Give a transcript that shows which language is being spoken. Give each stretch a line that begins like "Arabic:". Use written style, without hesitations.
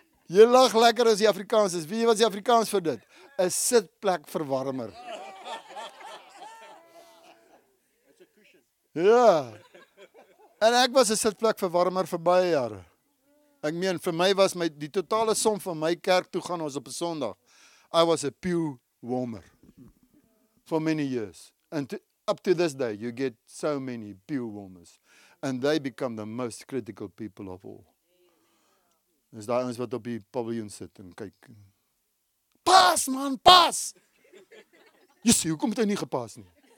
Afrikaans: Jy lag lekker as jy Afrikaans is. Wie was die Afrikaans vir dit? A sitplek verwarmer. Ja, en ek was 'n sitplek verwarmer vir baie jare. Ek meen, vir my was die totale som van my kerk toe gaan ons op 'n Sondag.
English: I was a pew warmer for many years. And up to this day, you get so many pew warmers. And they become the most critical people of all.
Afrikaans: Is daar ons wat op die paviljoen sit en kyk. Pas man, pas! Jy sê, hoekom het hy nie gepas nie?